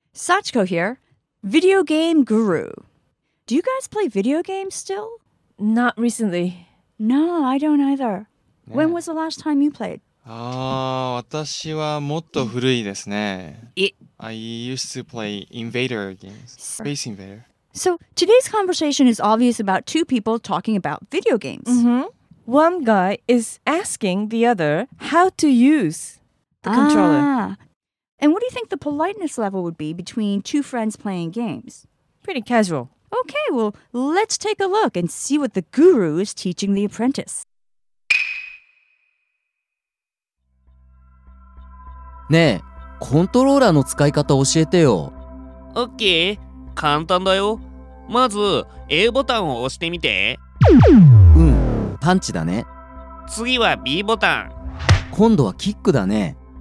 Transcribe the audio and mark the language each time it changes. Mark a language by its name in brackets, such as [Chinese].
[English] Sachiko here, video game guru. Do you guys play video games still? Not recently. No, I don't either. When was the last time you played? [Japanese] ああ、私はもっと古いですね。 [English] I used to play invader games, space invader. So today's conversation is obvious about two people talking about video games. Mm-hmm. One guy is asking the other how to use the controller. Ah. And what do you think the politeness level would be between two friends playing games? Pretty casual. Okay, well, let's take a look and see what the guru is teaching the apprentice. [Japanese] ねえ、コントローラーの使い方教えてよ。 OK、簡単だよ。まず、A ボタンを押してみて。うん、パンチだね。次は B ボタン。今度はキックだね。